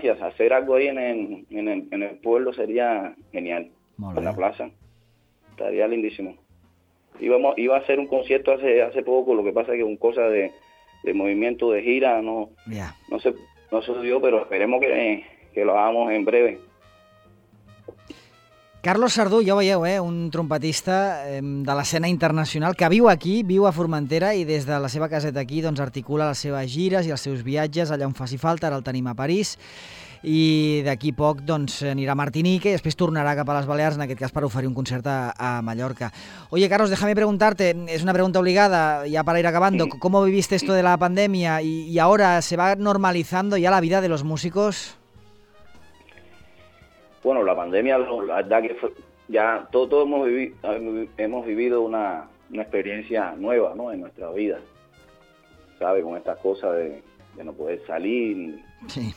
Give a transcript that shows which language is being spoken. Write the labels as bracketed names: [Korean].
[Spanish] Si hacer algo ahí en el pueblo sería genial. Muy bien. La plaza. Estaría lindísimo. Iba a hacer un concierto hace poco, lo que pasa es que un cosa de movimiento de gira no sucedió, pero esperemos que lo hagamos en breve. [Catalan] Carlos Sardú, ja ho veieu, un trompetista de l'escena internacional que viu aquí, viu a Formentera i des de la seva caseta aquí doncs, articula les seves gires i els seus viatges allà on faci falta, ara el tenim a París. I d'aquí a poc doncs, anirà a Martinique i després tornarà cap a les Balears, en aquest cas per oferir un concert a Mallorca. [Spanish] Oye, Carlos, déjame preguntarte, és una pregunta obligada, ya para ir acabando, ¿cómo viviste esto de la pandemia? ¿Y ahora se va normalizando ya la vida de los músicos? Bueno, la pandemia, la verdad que fue, ya todos hemos vivido una experiencia nueva, ¿no?, en nuestra vida, ¿sabes?, con estas cosas de no poder salir. Sí.